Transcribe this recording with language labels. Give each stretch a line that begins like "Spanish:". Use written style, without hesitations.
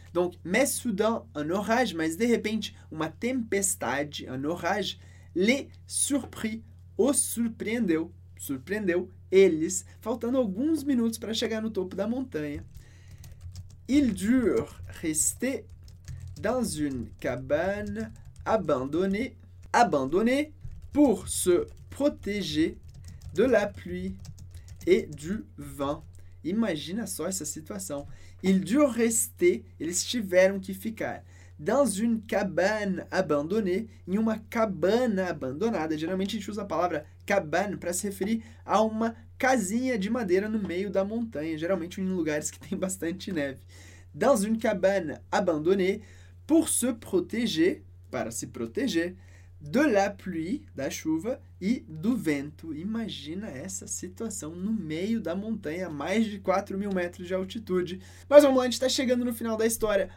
French: Donc, mais soudain, un orage,
Portuguese: mas de repente, uma tempestade,
French: un orage, les surprit,
Portuguese: os surpreendeu, surpreendeu eles, faltando alguns minutos para chegar no topo da montanha.
French: Ils durent rester dans une cabane abandonnée pour se protéger de la pluie et du vent.
Portuguese: Imagina só essa situação.
French: Ils durent rester,
Portuguese: eles tiveram que ficar,
French: dans une cabane abandonnée,
Portuguese: em uma cabana abandonada. Geralmente a gente usa a palavra cabane para se referir a uma casinha de madeira no meio da montanha, geralmente em lugares que tem bastante neve.
French: Dans une cabane abandonnée, pour se protéger,
Portuguese: para se proteger,
French: de la pluie,
Portuguese: da chuva, e do vento. Imagina essa situação no meio da montanha, a mais de 4 mil metros de altitude. Mas vamos lá, a gente está chegando no final da história.